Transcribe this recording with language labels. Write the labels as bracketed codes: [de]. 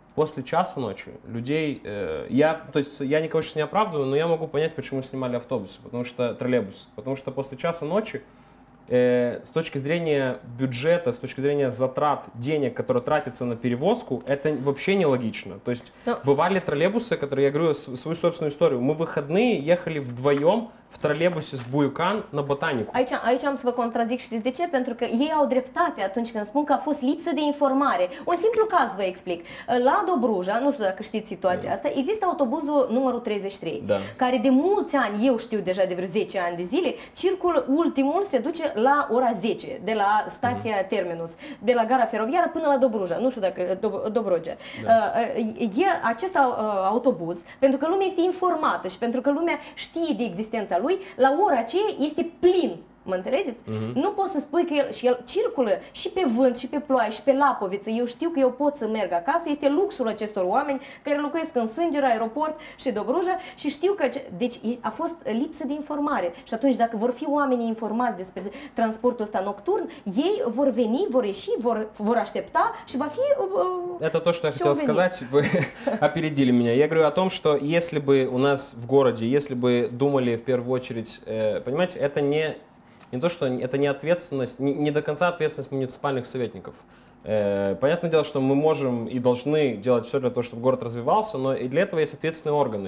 [ru] После часу ночи людей... я никого сейчас не оправдываю, но я могу понять, почему снимали автобусы, потому что троллейбусы. Потому что после часа ночи с точки зрения бюджета, с точки зрения затрат денег, которые тратятся на перевозку, это вообще нелогично. То есть бывали троллейбусы, которые, я говорю свою собственную историю, мы в выходные ехали вдвоем в троллейбусе с Буюкан на Ботанику. [ro] Aici am să vă contrazic, știți de ce? Pentru că ei au dreptate atunci când spun că a fost lipsă de informare. Un simplu caz vă explic. La Dobruja, nu știu dacă știți situația asta, există autobuzul numărul 33, care de mulți ani, eu știu deja de vreo 10 ani de zile, circul ultimul se duce la ora 10, de la stația Terminus, de la gara feroviară până la Dobruja, nu știu dacă Dobrogea. E acest autobuz, pentru că lumea este informată și pentru că lumea știe de existența lui, la ora aceea este plin. Mă înțelegeți? Nu poți să spui că el circulă și pe vânt, și pe ploaie, și pe Lapoviță. Eu știu că eu pot să merg acasă. Este luxul acestor oameni care locuiesc în Sângera, aeroport și Dobruja și știu că... Deci a fost lipsă de informare. Și atunci dacă vor fi oamenii informați despre transportul ăsta nocturn, ei vor veni, vor ieși, vor aștepta și va fi... [ru] Это то, что я хотел сказать. Вы опередили меня. Я говорю о том, что если бы у нас в городе, если бы думали в первую очередь... Понимаете, это не... Не то, что это не ответственность, не до конца ответственность муниципальных советников. Понятное дело, что мы можем и должны делать все для того, чтобы город развивался, но и для этого есть ответственные органы.